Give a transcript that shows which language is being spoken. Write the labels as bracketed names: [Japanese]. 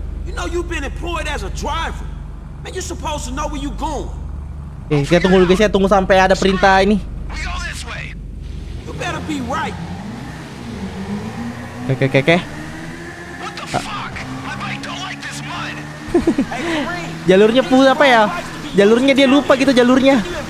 [English] You know you've been employed as a driver. Man, you're supposed to know where you're going. [Indonesian] Eh, kita tunggu dulu guys ya, tunggu sampai ada perintah ini. [English] We go this way. You better be right. [Indonesian] Oke, oke, oke. [English] What the fuck? My bike don't like this mud. [Indonesian] Jalurnya pun apa ya? Jalurnya dia lupa gitu jalurnya.